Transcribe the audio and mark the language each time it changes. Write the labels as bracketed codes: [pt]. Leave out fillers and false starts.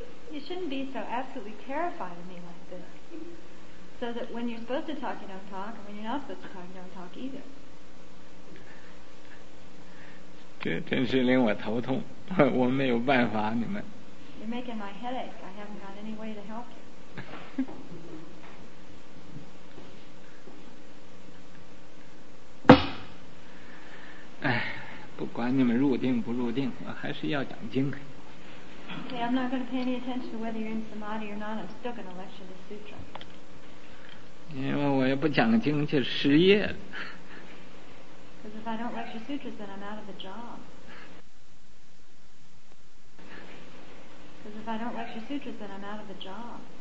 [en] You shouldn't be so absolutely terrified of me like this. So that when you're supposed to talk, you don't talk, and when you're not supposed to talk, you don't talk either. [zh] 这真是令我头痛，我没有办法，你们。 [en] You're making my headache. I haven't got any way to help you. [zh] 哎，不管你们入定不入定，我还是要讲经。 [en] Okay, I'm not going to pay any attention to whether you're in samadhi or not. I'm still going to lecture the sutra. [zh] 因为我要不讲经就失业了。 [en] Because if I don't lecture sutras, then I'm out of a job. Because if I don't lecture sutras, then I'm out of a job.